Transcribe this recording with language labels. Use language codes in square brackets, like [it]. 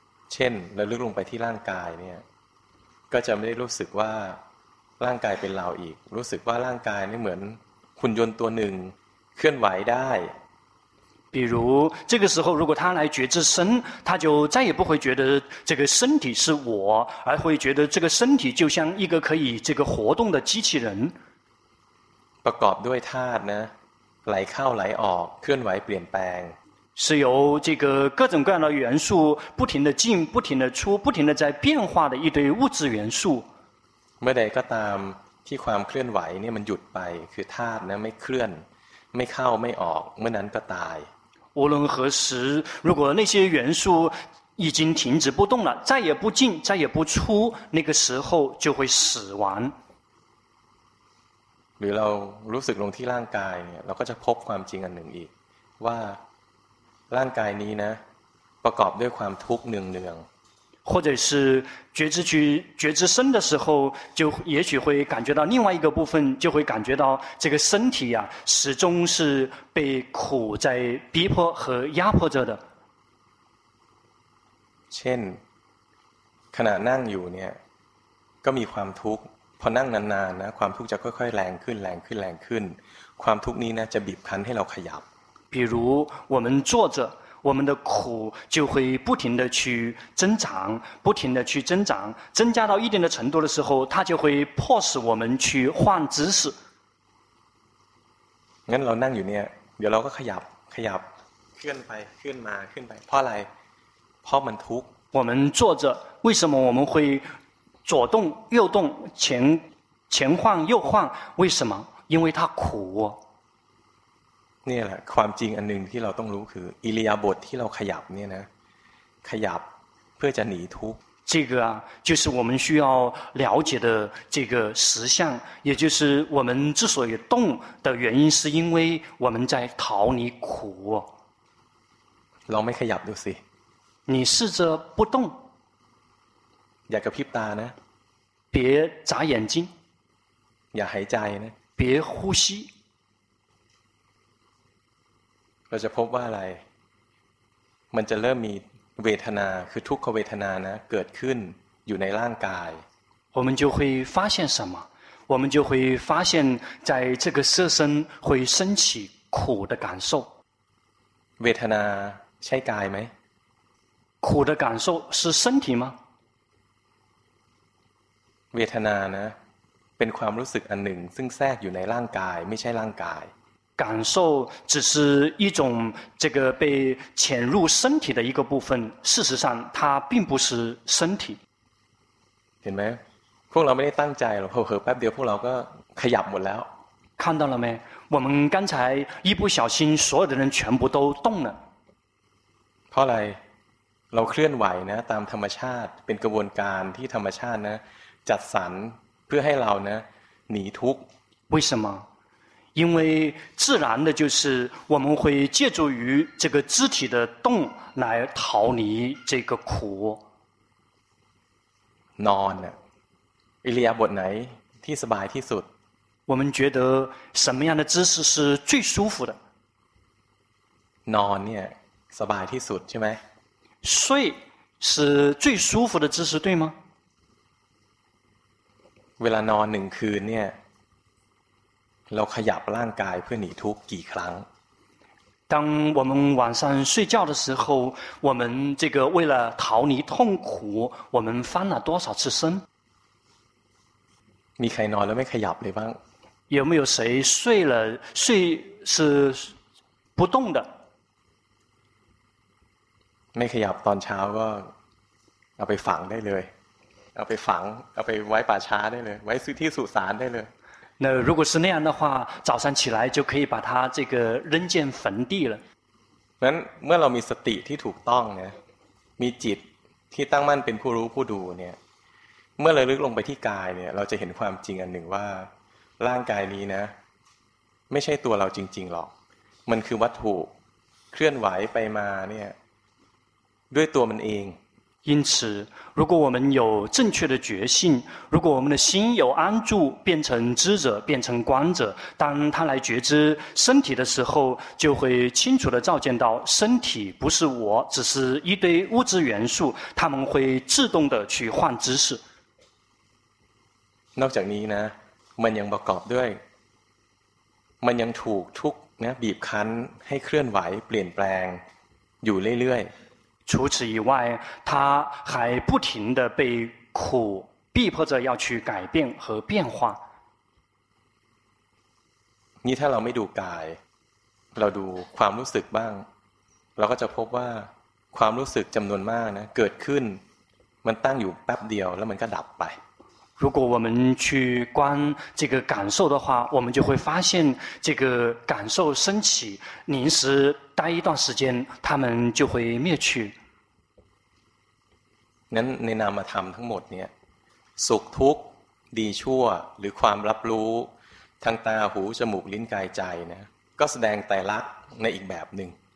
[th] เช่นระลึกลงไปที่ร่างกายเนี่ยก็จะไม่ได้รู้สึกว่าร่างกายเป็นเราอีกรู้สึกว่าร่างกายไม่เหมือนหุ่นยนต์ตัวหนึ่งเคลื่อนไหวได้ [zh] 比如这个时候如果他来觉知身他就再也不会觉得这个身体是我而会觉得这个身体就像一个可以这个活动的机器人 [th] ประกอบด้วยธาตุนะไหลเข้าไหลออกเคลื่อนไหวเปลี่ยนแปลง [zh] 是由这个各种各样的元素不停的进不停的出不停的在变化的一堆物质元素 [th] เมื่อใดก็ตามที่ความเคลื่อนไหวเนี่ยมันหยุดไปคือธาตุนะไม่เคลื่อนไม่เข้าไม่ออกเมื่อนั้นก็ตาย [zh] 无论何时如果那些元素已经停止不动了再也不进再也不出那个时候就会死亡 [th] หรือเรารู้สึกลงที่ร่างกายเนี่ยเราก็จะพบความจริงอันหนึ่งอีกว่าร่างกายนี้นะประกอบด้วยความทุกข์เนือง [zh] ๆ或者是觉知去觉知身的时候就也许会感觉到另外一个部分就会感觉到这个身体啊始终是被苦在逼迫和压迫着的 [th] เช่นขณะนั่งอยู่เนี่ยก็มีความทุกข์พอนั่งนานๆนะความทุกข์จะค่อยๆแรงขึ้นแรงขึ้นแรงขึ้นความทุกข์นี้นะจะบีบคั้นให้เราขยับ [zh] 比如我们坐着我们的苦就会不停地去增长不停地去增长增加到一定的程度的时候它就会迫使我们去换姿势 [th] งั้นเรานั่งอยู่เนี่ยเดี๋ยวเราก็ขยับเคลื่อนไปเคลื่อนมาเคลื่อนไปเพราะอะไรเพราะมันทุกข์ [zh] 我们坐着为什么我们会左动右动前晃右晃为什么因为它苦 [th] เนี่ยแหละความจริงอันหนึ่งที่เราต้องรู้คืออิริยาบถที่เราขยับเนี่ยนะขยับเพื่อจะหนีทุกข์ [zh] 这个啊就是我们需要了解的这个实相也就是我们之所以动的原因是因为我们在逃离苦 [th] ลองไม่ขยับดูสิ [zh] 你试着不动 [th] อย่ากระพริบตานะ [zh] 别眨眼睛 [th] อย่าหายใจนะ [zh] 别呼吸 [th] เราจะพบว่าอะไรมันจะเริ่มมีเวทนาคือทุกขเวทนานะเกิดขึ้นอยู่ในร่างกาย [zh] 我们就会发现什么我们就会发现在这个色身会升起苦的感受 [th] เวทนาใช่กายไหม [zh] 苦的感受是身体吗 [th] เวทนานะเป็นความรู้สึกอันหนึ่งซึ่งแทรกอยู่ในร่างกายไม่ใช่ร่างกาย [zh] 感受只是一种这个被潜入身体的一个部分事实上它并不是身体 [th] เห็นไหมพวกเราไม่ได้ตั้งใจหรอกเผลอๆแป๊บเดียวพวกเราก็ขยับหมดแล้ว [zh] 看到了没我们刚才一不小心所有的人全部都动了 [th] เพราะอะไรเราเคลื่อนไหวนะตามธรรมชาติเป็นกระบวนการที่ธรรมชาตินะจัดสรรเพื่อให้เรานะหนีทุกข์ [zh] 为什么因为自然的就是我们会借助于这个肢体的动来逃离这个苦 [th] นอนอิริยาบถไหนที่สบายที่สุด [zh] 我们觉得什么样的姿势是最舒服的 [th] นอนเนี่ยสบายที่สุดใช่ไหม [zh] 睡是最舒服的姿势对吗 [th] เวลานอนหนึ่งคืนเนี่ยเราขยับร่างกายเพื่อหนีทุกข์กี่ครั้ง [zh] 当我们晚上睡觉的时候我们这个为了逃离痛苦我们翻了多少次身 [th] มีใครนอนแล้วไม่ขยับเลยบ้าง [zh] 有没有谁睡了睡是不动的 [th] ไม่ขยับตอนเช้าก็เอาไปฝังได้เลยเอาไปฝังเอาไปไว้ป่าช้าได้เลยไว้ที่สุสานได้เลย [zh] 那如果是那样的话早上起来就可以把它这个扔进坟地了 [th] นั้นเมื่อเรามีสติที่ถูกต้องเนี่ยมีจิตที่ตั้งมั่นเป็นผู้รู้ผู้ดูเนี่ยเมื่อเราลึกลงไปที่กายเนี่ยเราจะเห็นความจริงอันหนึ่งว่าร่างกายนี้นะไม่ใช่ตัวเราจริงๆหรอกมันคือวัตถุเคลื่อนไหวไปมาเนี่ยด้วยตัวมันเอง [zh] 因此如果我们有正确的觉性如果我们的心有安住变成知者变成观者当他来觉知身体的时候就会清楚地照见到身体不是我只是一堆物质元素他们会自动地去换姿势 [th] นอกจากนี้นะมันยังประกอบด้วยมันยังถูกทุกข์นะบีบคั้นให้เคลื่อนไหวเปลี่ยนแปลงอยู่เรื่อย [zh] ๆ除此以外它还不停地被苦逼迫着要去改变和变化 [th] นี่ถ้าเราไม่ดูกายเราดูความรู้สึกบ้างเราก็จะพบว่าความรู้สึกจำนวนมากนะเกิดขึ้นมันตั้งอยู่แป๊บเดียวแล้วมันก็ดับไป [zh] 如果我们去观这个感受的话我们就会发现这个感受升起临时待一段时间他们就会灭去 [th] นั้นในนามธรรมทั้งหมดเนี่ยสุขทุกข์ดีชั่วหรือความรับรู้ทางตาหูจมูกลิ้นกายใจนะก็แสดงไตรลักษณ์ในอีกแบบหนึ่ง